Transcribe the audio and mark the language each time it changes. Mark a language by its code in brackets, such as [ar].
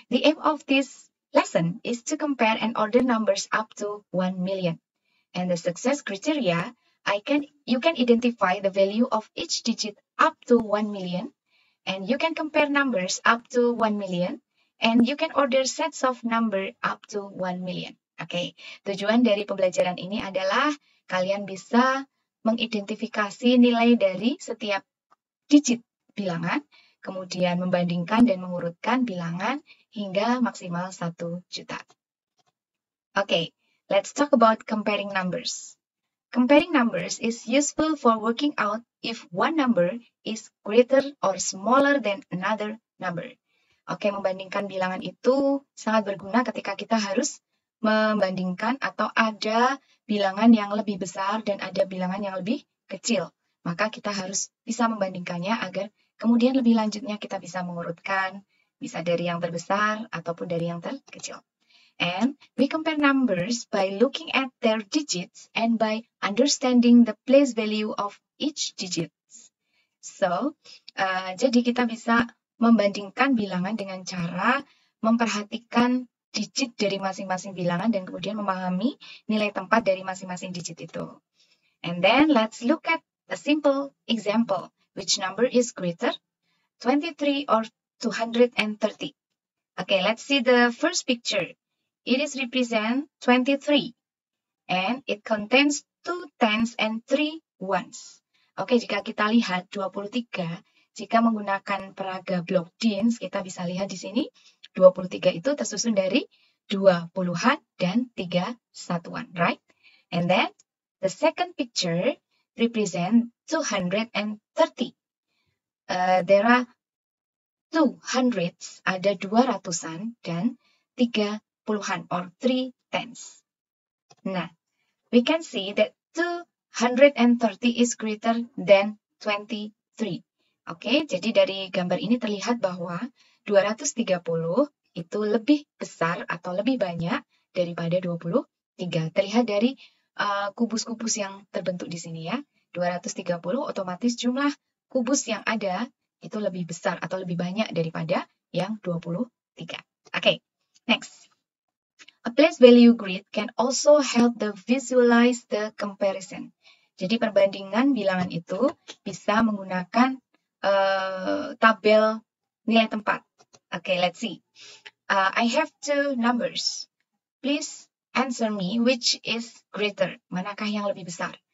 [en] The aim of this lesson is to compare and order numbers up to 1 million. And the success criteria, you can identify the value of each digit up to 1 million. And you can compare numbers up to 1 million. And you can order sets of number up to 1 million. Okay. [id] Tujuan dari pembelajaran ini adalah kalian bisa mengidentifikasi nilai dari setiap digit bilangan, kemudian membandingkan dan mengurutkan bilangan hingga maksimal 1 juta. [en] Okay, let's talk about comparing numbers. Comparing numbers is useful for working out if one number is greater or smaller than another number. [id] Okay, membandingkan bilangan itu sangat berguna ketika kita harus membandingkan atau ada bilangan yang lebih besar dan ada bilangan yang lebih kecil. Maka kita harus bisa membandingkannya agar kemudian lebih lanjutnya kita bisa mengurutkan, bisa dari yang terbesar ataupun dari yang terkecil. [en] And we compare numbers by looking at their digits and by understanding the place value of each digit. [id] So, jadi kita bisa membandingkan bilangan dengan cara memperhatikan digit dari masing-masing bilangan dan kemudian memahami nilai tempat dari masing-masing digit itu. [en] And then let's look at a simple example. Which number is greater, 23 or 230? Okay, let's see the first picture. It is represent 23, and it contains 2 tens and 3 ones. [id] Okay, jika kita lihat 23, jika menggunakan peraga blok Diens, kita bisa lihat di sini 23 itu tersusun dari 20-an dan 3 satuan, right? [en] And then the second picture represent 230. There are 200s, [id] ada 200-an dan 30-an [en] or 3 tens. Nah, we can see that 230 is greater than 23. [id] Okay, jadi dari gambar ini terlihat bahwa 230 itu lebih besar atau lebih banyak daripada 23. Terlihat dari kubus-kubus yang terbentuk di sini ya. 230 otomatis jumlah kubus yang ada itu lebih besar atau lebih banyak daripada yang 23. [en] Okay, next. A place value grid can also help the visualize the comparison. [id] Jadi perbandingan bilangan itu bisa menggunakan tabel nilai tempat. [en] Okay, let's see. I have two numbers. Please answer me which is greater. [id] Manakah yang lebih besar?